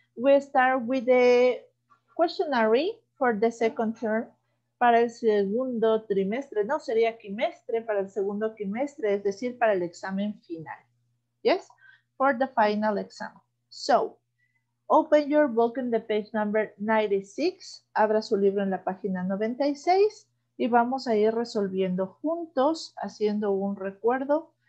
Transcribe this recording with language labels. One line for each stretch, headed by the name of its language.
English: We start with the questionnaire for the second term.
Spanish: Para el segundo trimestre, no sería quimestre, para el segundo quimestre, es decir, para el examen final.
English: Yes? For the final exam. So, open your book in the page number 96.
Spanish: Abra su libro en la página 96 y vamos a ir resolviendo juntos, haciendo un recuerdo.